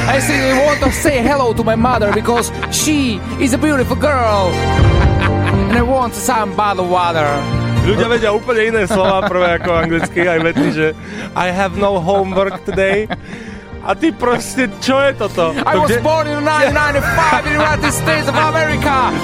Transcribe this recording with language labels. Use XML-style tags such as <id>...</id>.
<en>I simply want to say hello to my mother because she is a beautiful girl. And I want some bottle of water.</en> <sk>Ľudia vedia úplne iné slova prvé ako anglicky. Aj vedli, že</sk> <en>I have no homework today.</en> <sk>A ty proste, čo je toto?</sk> <en>I was born in 1995 in the United States of America.</en>